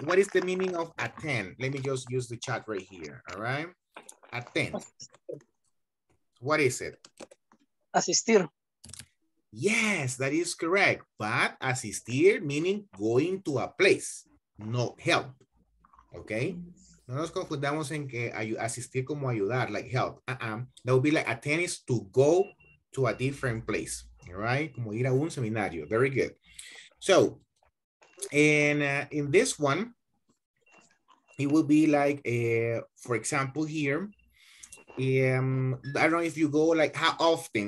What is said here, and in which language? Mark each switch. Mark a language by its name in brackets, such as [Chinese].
[English] What is the meaning of attend? Let me just use the chat right here. All right. Attend. What is it? [Spanish] Asistir. [English] Yes, that is correct. But asistir meaning going to a place, not help. Okay. [Spanish] No nos confundamos en que asistir como ayudar, [English] like help. That would be like attend is to go to a different place. All right. [Spanish] Como ir a un seminario. [English] Very good. So in this one, it will be like, for example, here. I don't know if you go, like, how often?